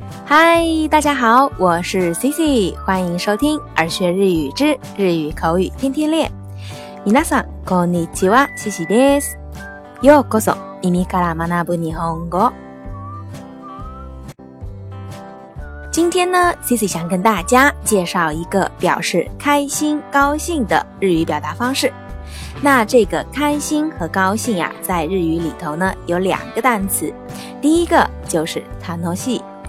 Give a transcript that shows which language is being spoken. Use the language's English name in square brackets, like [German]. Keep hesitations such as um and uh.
[Chinese] 嗨，大家好，我是 Cici，欢迎收听《耳学日语之日语口语天天练》。 [Japanese] みなさんこんにちは、Cici です。ようこそ耳から学ぶ日本語。 [Chinese] 今天呢，Cici 想跟大家介绍一个表示开心、高兴的日语表达方式。那这个开心和高兴呀、啊，在日语里头呢有两个单词，第一个就是“たのしい”。